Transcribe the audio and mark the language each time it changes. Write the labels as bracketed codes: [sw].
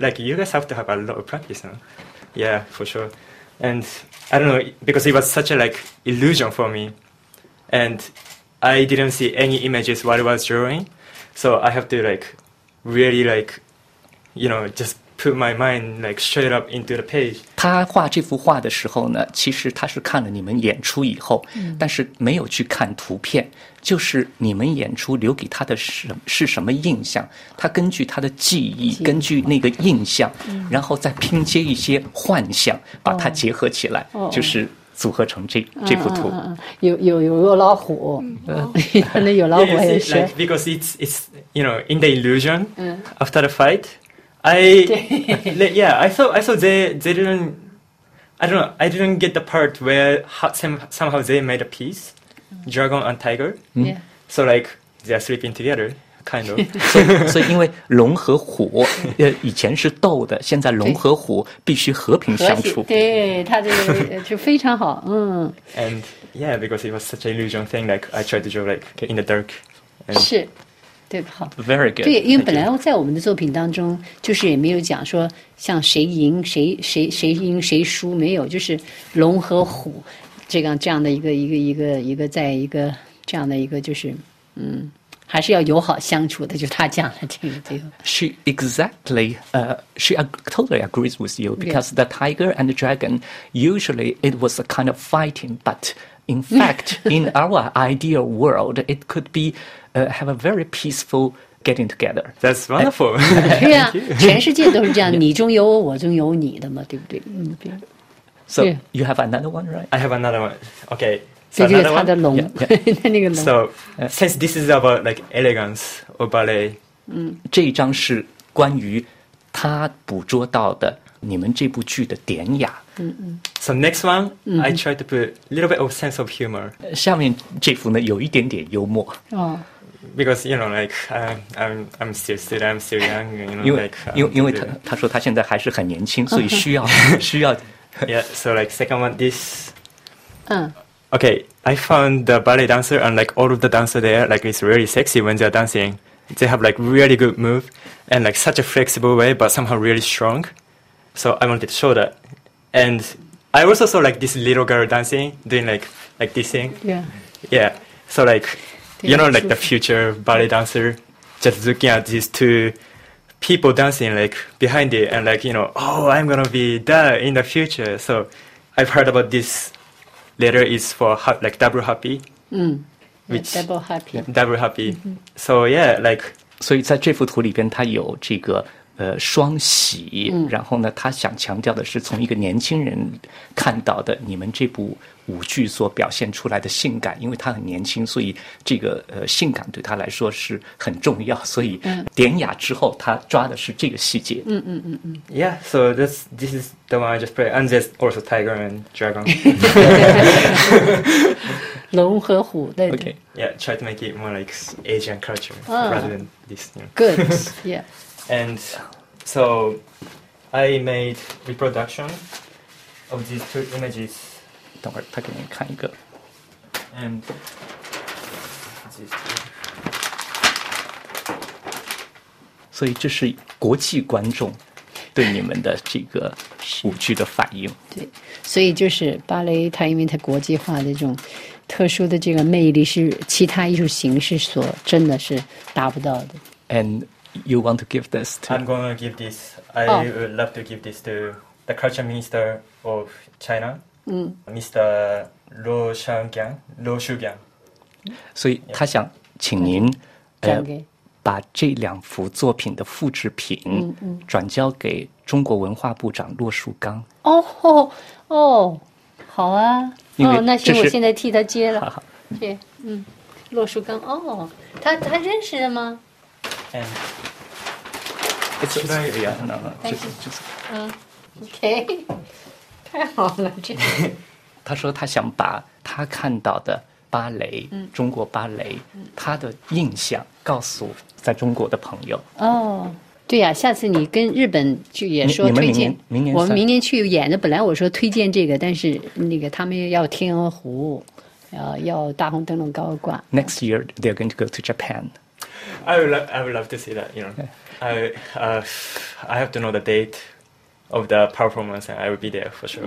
[en] Like, you guys have to have a lot of practice, huh? Yeah, for sure. And I don't know, because it was such a like illusion for me. And I didn't see any images while I was drawing. So I have to like,really like, you know, just put my mind like straight up into the page. [zh] 他画这幅画的时候呢，其实他是看了你们演出以后，但是没有去看图片，就是你们演出留给他的是什么印象，他根据他的记忆，根据那个印象，然后再拼接一些幻想，把它结合起来，就是组合成这幅图。有老虎，可能有老虎，还是谁？ [en] Because it's you know in the illusion after the fight, I thought they didn't, I don't know, I didn't get the part where somehow they made a piece, dragon and tiger. So like they are sleeping together, kind of. [zh] 所以因为龙和虎以前是斗的，现在龙和虎必须和平相处。对，他这个就非常好。 [en] And yeah, because it was such an illusion thing, like I tried to draw like in the dark. [zh] 是。对吧？好 [en] ，very good。 [zh] 对，因为本来在我们的作品当中，就是也没有讲说像谁赢谁赢谁输，没有，就是龙和虎这样的一个在一个这样的一个就是还是要友好相处的，就他讲了这个地方。 [en] She exactly, she totally agrees with you because the tiger and the dragon usually it was a kind of fighting, but in fact, in our ideal world, it could be. Have a very peaceful getting together. That's wonderful. [zh] 对呀，全世界都是这样，你中有我，我中有你的嘛，对不对？ [en] So you have another one, right? I have another one. Okay, so another one. [zh] 这就是他的龙，那个龙。 [en] So since this is about like elegance or ballet, [zh] 这一张是关于他捕捉到的你们这部剧的典雅。 [en] So next one, I try to put a little bit of sense of humor. [zh] 下面这幅呢，有一点点幽默。 [en] Because you know, like I'm still student, I'm still young. You know, [zh] 因为他说他现在还是很年轻，所以需要。 [en] Yeah. So like second one, this. Okay, I found the ballet dancer and like all of the dancers there, like it's really sexy when they're dancing. They have like really good move and like such a flexible way, but somehow really strong. So I wanted to show that. And I also saw like this little girl dancing, doing like this thing. Yeah. Yeah. So like, you know, like the future ballet dancer, just looking at these two people dancing like behind it and like, you know, oh, I'm going to be that in the future. So I've heard about this letter is for like double happy. Yeah, which, double happy. Double happy. Mm-hmm. So yeah, like. [zh] 所以在这幅图里边它有这个。双喜，然后呢他想强调的是从一个年轻人看到的你们这部舞剧所表现出来的性感，因为他很年轻，所以这个性感对他来说是很重要，所以典雅之后他抓的是这个细节。 [en] Yeah, so this is the one I just played, and there's also tiger and dragon. [zh] 龙和虎的。 [en] Okay. Yeah, try to make it more like Asian culture rather than this. Good, yeah. And so I made reproduction of these two images. [zh] 等会儿他给你看一个。 [en] And this. [zh] 所以这是国际观众对你们的这个舞剧的反应。对，所以就是芭蕾，它因为它国际化的这种特殊的这个魅力是其他艺术形式所真的是达不到的。 [en] And you want to give this? To... I'm going to give this. I would love to give this to the culture minister of China, Mr. Luo Shangjiang. Luo Shangjiang. [zh] 所以他想请您把这两幅作品的复制品转交给中国文化部长骆树刚。哦哦哦，好啊，哦，那行，我现在替他接了。好好，谢，骆树刚，哦，他认识的吗？嗯，是的呀，那嗯 ，OK， 太好了，这。他说他想把他看到的芭蕾，中国芭蕾，他的印象告诉在中国的朋友。哦，对呀，下次你跟日本去也说推荐，明年我们明年去演的。本来我说推荐这个，但是那个他们要天鹅湖，要大红灯笼高挂。 [en] Next year they're going to go to Japan. I would love to see that. You know, I have to know the date of the performance, and I will be there for sure.